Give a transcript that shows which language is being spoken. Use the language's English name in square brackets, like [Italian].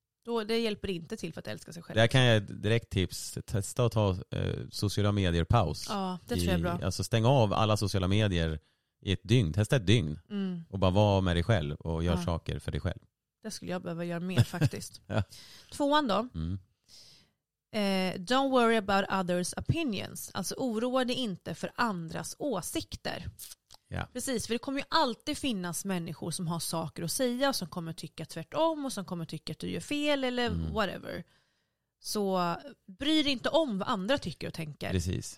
[Swedish] Då, det hjälper inte till för att älska sig själv. Där kan jag direkt tips. Testa att ta sociala medier paus. Ja, det tror jag är bra. Alltså stäng av alla sociala medier i ett dygn. Testa ett dygn. Mm. Och bara vara med dig själv och gör saker för dig själv. Det skulle jag behöva göra mer faktiskt. Ja. Tvåan då. Mm. [English] Don't worry about others' opinions. [Swedish] Alltså oroa dig inte för andras åsikter. Ja. Precis, för det kommer ju alltid finnas människor som har saker att säga och som kommer tycka tvärtom och som kommer tycka att du gör fel eller whatever. Så bry dig inte om vad andra tycker och tänker. Precis.